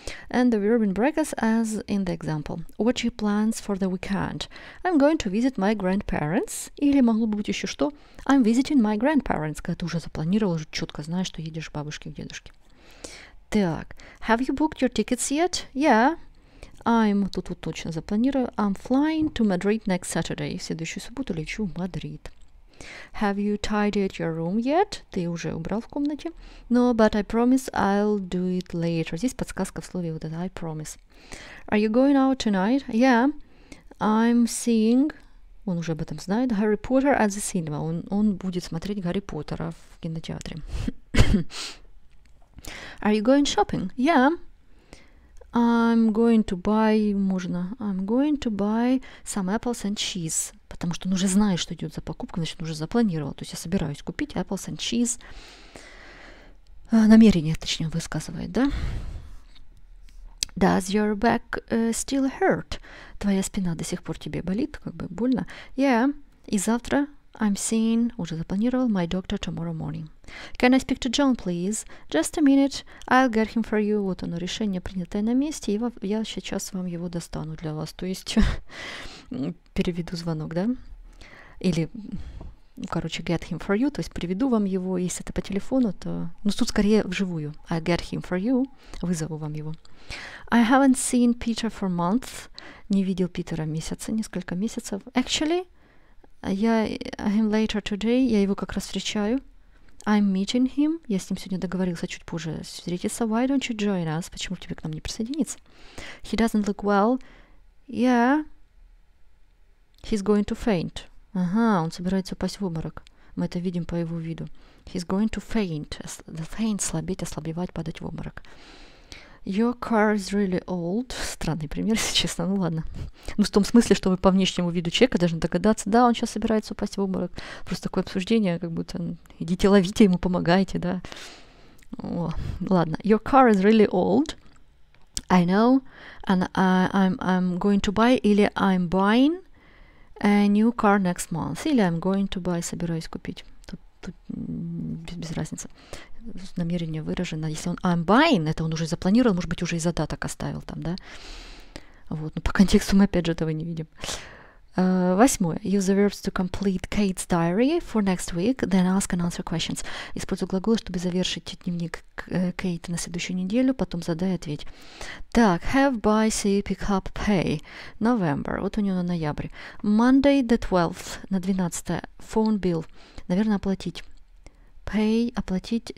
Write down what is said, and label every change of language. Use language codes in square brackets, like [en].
[en] And the verb in brackets as in the example. What are your plans for the weekend? I'm going to visit my grandparents. [ru] Или могло бы быть еще что? [en] I'm visiting my grandparents. [ru] Когда ты уже запланировал, уже четко знаешь, что едешь к бабушке и дедушке. [en] Так. Have you booked your tickets yet? Yeah. I'm... [ru] Тут вот точно запланирую. [en] I'm flying to Madrid next Saturday. [ru] В следующую субботу лечу в Мадрид. [en] Have you tidied your room yet? [ru] Ты уже убрал в комнате. [en] No, but I promise I'll do it later. [ru] Здесь подсказка в слове вот это [en] I promise. Are you going out tonight? Yeah, I'm seeing... [ru] Он уже об этом знает. [en] Harry Potter at the cinema. [ru] Он будет смотреть Гарри Поттера в кинотеатре. [en] Are you going shopping? Yeah. I'm going to buy... Можно. I'm going to buy some apples and cheese. [ru] Потому что он уже знает, что идет за покупка, значит, он уже запланировал. То есть я собираюсь купить [en] apples and cheese. [ru] Намерение, точнее, высказывает, да? [en] Does your back still hurt? [ru] Твоя спина до сих пор тебе болит, как бы больно. [en] Yeah, [ru] и завтра [en] I'm seeing, [ru] уже запланировал, [en] my doctor tomorrow morning. Can I speak to John, please? Just a minute, I'll get him for you. [ru] Вот оно, решение, принятое на месте, и я сейчас вам его достану для вас. То есть переведу звонок, да? Или, короче, [en] get him for you, [ru] то есть приведу вам его, если это по телефону, то... Ну, тут скорее вживую. [en] I'll get him for you, [ru] вызову вам его. [en] I haven't seen Peter for months. [ru] Не видел Питера месяца, несколько месяцев. [en] Actually, I'm later today. [ru] Я его как раз встречаю. [en] I'm meeting him. [ru] Я с ним сегодня договорился чуть позже встретиться. [en] Why don't you join us? [ru] Почему тебе к нам не присоединиться? [en] He doesn't look well. Yeah. He's going to faint. [ru] Ага, он собирается упасть в обморок. Мы это видим по его виду. [en] He's going to faint. [ru] Faint – слабеть, ослабевать, падать в обморок. [en] Your car is really old. [ru] Странный пример, если честно. Ну ладно. Ну в том смысле, что вы по внешнему виду человека должны догадаться. Да, он сейчас собирается упасть в обморок. Просто такое обсуждение, как будто идите ловите ему, помогайте, да. [en] О, ладно. Your car is really old. I know. And I'm going to buy или I'm buying a new car next month. [ru] Или [en] I'm going to buy, [ru] собираюсь купить. Тут без разницы. Намерение выражено. Если он [en] I'm buying, [ru] это он уже запланировал, может быть, уже и задаток оставил там, да? Вот, но по контексту мы, опять же, этого не видим. Восьмое. [en] Use the verbs to complete Kate's diary for next week, then ask and answer questions. [ru] Используй глаголы, чтобы завершить дневник Кейт на следующую неделю, потом задай и ответь. [en] Так, have, buy, see, pick up, pay. November. [ru] Вот у него на ноябрь. [en] Monday the 12th, на 12-е. Phone bill. [ru] Наверное, оплатить. [en] Pay, оплатить.